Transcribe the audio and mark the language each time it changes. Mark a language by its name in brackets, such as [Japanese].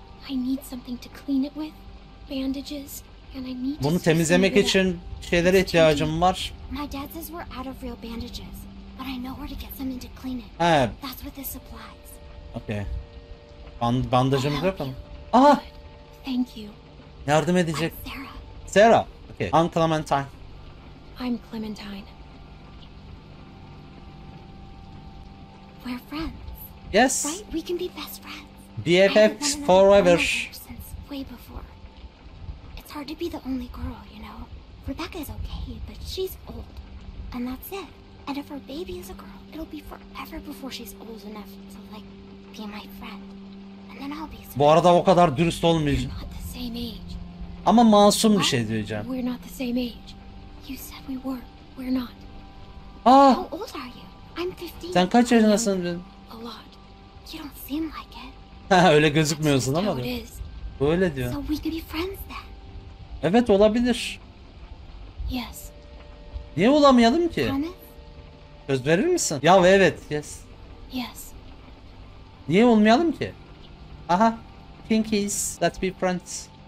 [English] I need something to clean it with. Bandages. And I need to. [Turkish] Bunu temizlemek için şeylere ihtiyacım var. [English] My dad says we're out of real bandages. But I know where to get something to clean it. That's what this supplies. [Turkish] Okay. Bandajımız yok mu? Aha! [English] Thank you. [Turkish] Yardım edecek. [English] I'm Sarah. Sarah. Okay. I'm Clementine. I'm Clementine. We're friends. Yes. Right? We can be best friends. BFFs forever. Since way before. It's hard to be the only girl, you know? Rebecca is okay, but she's old. And that's it. And if her baby is a girl, it'll be forever before she's old enough to like be my friend. And then I'll be. [Turkish] Bu arada o kadar dürüst olmayacağım. [English] We're not the same age. [Turkish] Ama masum bir şey diyeceğim. [English] We're not the same age. You said we were. We're not. Ah. How old are you? I'm 15. [Turkish] Sen kaç yaşındasın? [English] A lot. You don't seem like it. [Turkish] Öyle gözükmüyorsun ama. [English] How it is. [Turkish] Böyle diyor. [English] So we could be friends then. [Turkish] Evet, olabilir. [English] Yes. [Turkish] Niye olamayalım ki? [English] Promise? [Turkish] Söz verir misin? Ya evet, yes. [English] Yes. [Turkish] Niye olmayalım ki? [English] Aha, pinkies, let's be friends.